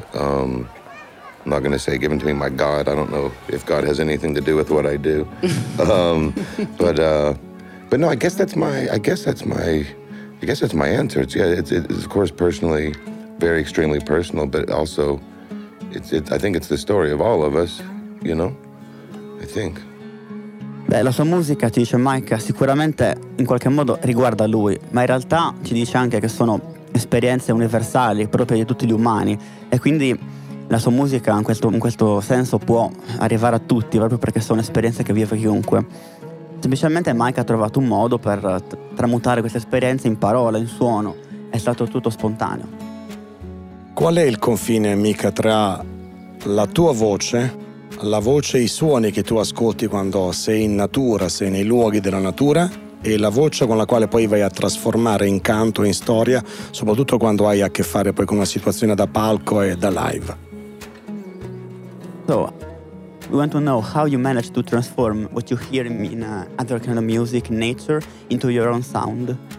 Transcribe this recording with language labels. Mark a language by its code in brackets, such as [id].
[en] I'm not going to say given to me by God. I don't know if God has anything to do with what I do. I guess that's my answer. It's of course personally, very extremely personal, but also I think it's the story of all of us, you know, I think. [it] Beh, la sua musica, ci dice Mike, sicuramente in qualche modo riguarda lui, ma in realtà ci dice anche che sono esperienze universali, proprie di tutti gli umani. E quindi la sua musica in questo senso può arrivare a tutti, proprio perché sono esperienze che vive chiunque. Semplicemente Mike ha trovato un modo per tramutare questa esperienza in parola, in suono. È stato tutto spontaneo. Qual è il confine, Mika, tra la tua voce, la voce e i suoni che tu ascolti quando sei in natura, sei nei luoghi della natura, e la voce con la quale poi vai a trasformare in canto, in storia, soprattutto quando hai a che fare poi con una situazione da palco e da live? [en] So, we want to know how you manage to transform what you hear in other kind of music, nature, into your own sound.